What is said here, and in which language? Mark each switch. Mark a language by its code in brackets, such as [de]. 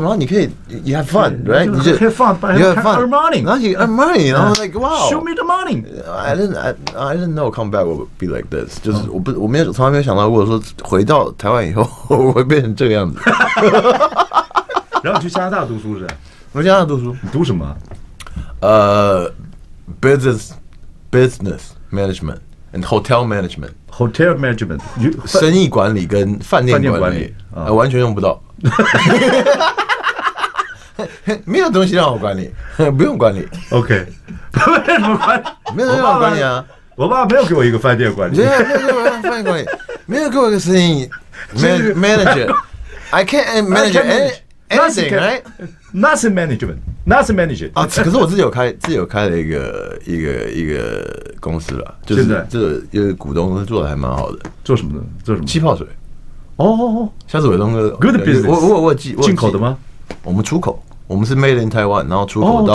[zh] 然后你可以 [en] you have fun, right? You have fun, but you have earn money. [zh] 然后 [en] you earn money, 然后 like wow, show me the money. I didn't know come back will be like this. [zh] 就是我没有从来没有想到过说回到台湾以后我会变成这个样子。然后去加拿大读书是？我加拿大读书，你读什么？ [en] Business management and hotel management. Hotel management， [zh] 生意管理跟饭店管理、哦、完全用不到，没有东西让我管理，不用管理。 OK， 没有什么管理，没有让我管理啊。我爸没有给我一个饭店管理，没有饭店管理，没有给我一个生意manager。 [en] I can't manage anything, right? Nothing management. Nothing managed 啊！ [zh] 可是我自己有开了一个公司了，就是这个因为股东做的还蛮好的。做什么的？做什么？气泡水。哦，下次伟东哥 [en] ，Good business [zh] 我。我进口的吗？我们出口，我们是 [en] Made in Taiwan， [zh] 然后出口到、